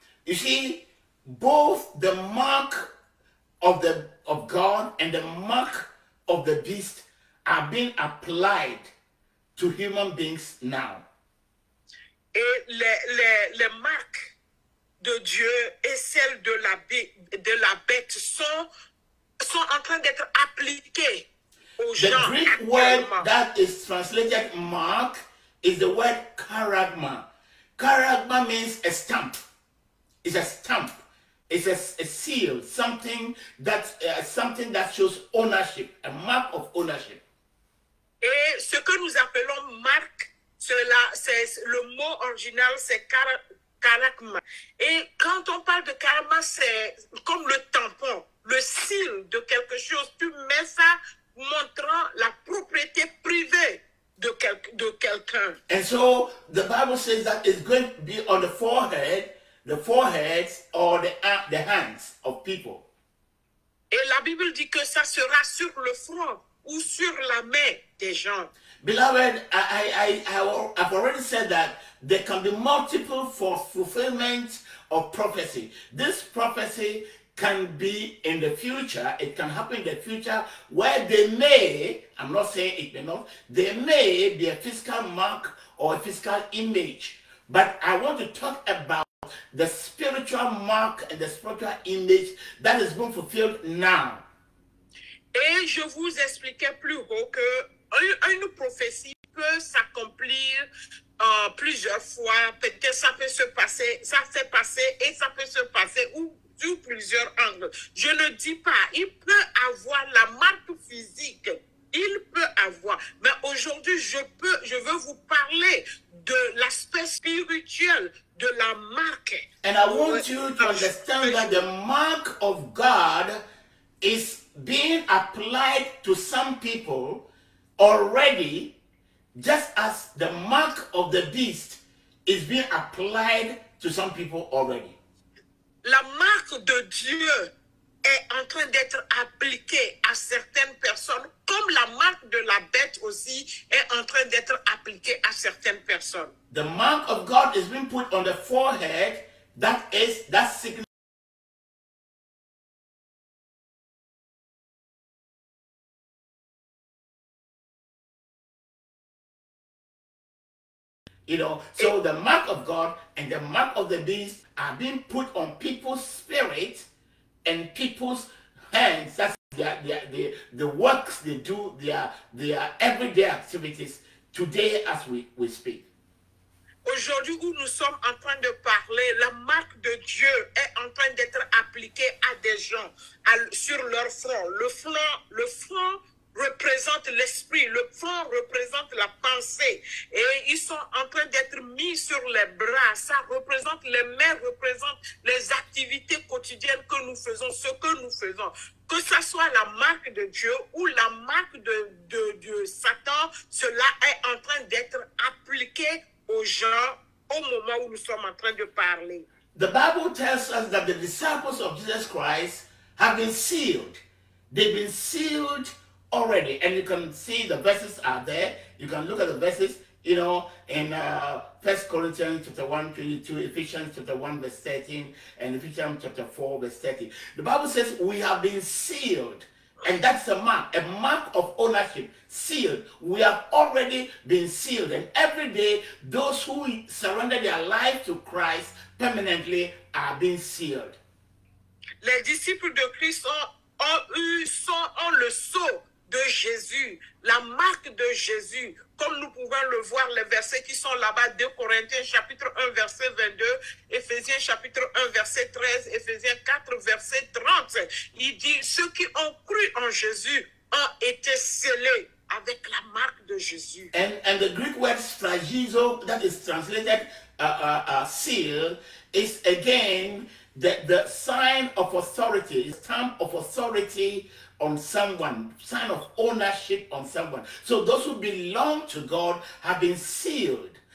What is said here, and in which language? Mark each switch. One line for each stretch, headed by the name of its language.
English: You see, both the mark of God and the mark of the beast are being applied to human beings now.
French: Et les marques de Dieu et celles de la bête sont en train d'être appliquées aux
English: The
French: gens
English: Greek word
French: actuellement.
English: that is translated mark is the word charagma. Charagma means a stamp. It's a stamp. It's a seal, something that shows ownership, a mark of ownership.
French: Et ce que nous appelons marque, c'est le mot original, c'est karakma. Et quand on parle de karma, c'est comme le tampon, le signe de quelque chose. Tu mets ça montrant la propriété privée de quelqu'un.
English: And so the Bible says that it's going to be on the forehead. The foreheads or the hands of people.
French: Et la Bible dit que ça sera sur le front ou sur la main des gens.
English: Beloved, I've already said that there can be multiple for fulfillment of prophecy. This prophecy can be in the future. It can happen in the future where they may, I'm not saying it may not, there may be a physical mark or a physical image. But I want to talk about the spiritual mark and the spiritual image that is being fulfilled now.
French: Et je vous expliquais plus haut que une prophétie peut s'accomplir plusieurs fois, peut-être ça peut se passer, ça s'est passé et ça peut se passer ou sous plusieurs angles. Je ne dis pas, il peut avoir la marque physique, il peut avoir, mais aujourd'hui je veux vous parler de l'aspect spirituel de la marque
English: And I want you to understand that the mark of God is being applied to some people already, just as the mark of the beast is being applied to some people already.
French: La marque de Dieu est en train d'être appliquée à certaines personnes, comme la marque de la bête aussi est en train d'être appliquée à certaines personnes.
English: The mark of God is being put on the forehead. That signifies so the mark of God and the mark of the beast are being put on people's spirit and people's hands. That's the works they do, their everyday activities today as we speak.
French: Aujourd'hui où nous sommes en train de parler, la marque de Dieu est en train d'être appliquée à des gens, sur leur front. Le front représente l'esprit, le front représente la pensée. Et ils sont en train d'être mis sur les bras. Ça représente, les mains représentent les activités quotidiennes que nous faisons, ce que nous faisons. Que ça soit la marque de Dieu ou la marque de Satan, cela est en train d'être appliqué aux gens au moment où nous sommes en train de parler.
English: The Bible tells us that the disciples of Jesus Christ have been sealed. They've been sealed already, and you can see the verses are there. You can look at the verses, you know, in 1 Corinthians chapter 1, 22, Ephesians chapter 1, verse 13, and Ephesians chapter 4, verse 30. The Bible says we have been sealed, and that's a mark of ownership, sealed. We have already been sealed, and every day, those who surrender their life to Christ permanently are being sealed.
French: Les disciples de Christ ont le sceau de Jésus, la marque de Jésus, comme nous pouvons le voir les versets qui sont là-bas, 2 Corinthiens chapitre 1 verset 22, Éphésiens chapitre 1 verset 13, Éphésiens 4 verset 30. Il dit, ceux qui ont cru en Jésus ont été scellés avec la marque de Jésus.
English: And the Greek word phragizo, that is translated seal, is again the sign of authority, stamp of authority on someone, sign of ownership on someone. So those who belong to God have been sealed.